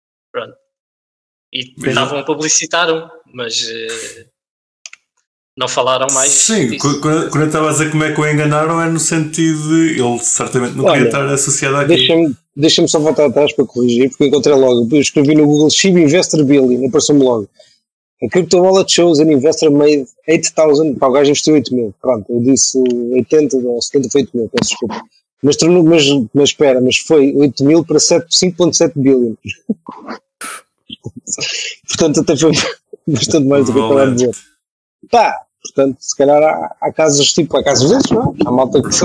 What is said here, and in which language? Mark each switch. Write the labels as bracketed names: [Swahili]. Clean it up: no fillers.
[Portuguese] Pronto. E estavam a publicitar um, mas... Não falaram mais. Sim, quando eu estava a dizer como é que o enganaram, é no sentido de ele certamente não queria estar associado àquilo. Deixa-me só voltar atrás para corrigir, porque encontrei logo. Eu escrevi no Google Shib Investor Billing, apareceu-me logo. [English] A Crypto Wallet shows an investor made 8,000. [Portuguese] Pá, o gajo investiu 8,000. Pronto, eu disse 80 ou 70, foi 8,000, peço desculpa. Mas espera, mas foi 8,000 para 5,7 billion. Portanto, até foi bastante mais do que eu estava a dizer. Pá, portanto, se calhar há casos tipo, há casos desses, não é? Há malta que